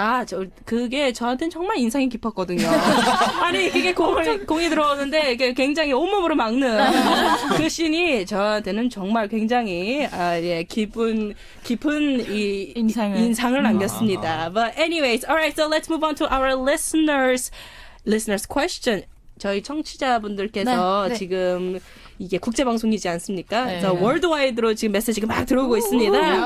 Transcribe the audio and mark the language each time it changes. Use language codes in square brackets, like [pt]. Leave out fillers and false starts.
[ko] 아, 저 그게 저한테는 정말 인상이 깊었거든요. 아니, 그게 공이 들어오는데 이게 굉장히 온몸으로 막는 그 신이 저한테는 정말 굉장히 깊은 이 인상을 남겼습니다. [en] But anyways, all right, so let's move on to our listeners question. [ko] 저희 청취자분들께서 지금 이게 국제방송이지 않습니까? 그래서 월드와이드로 지금 메시지가 막 들어오고 있습니다.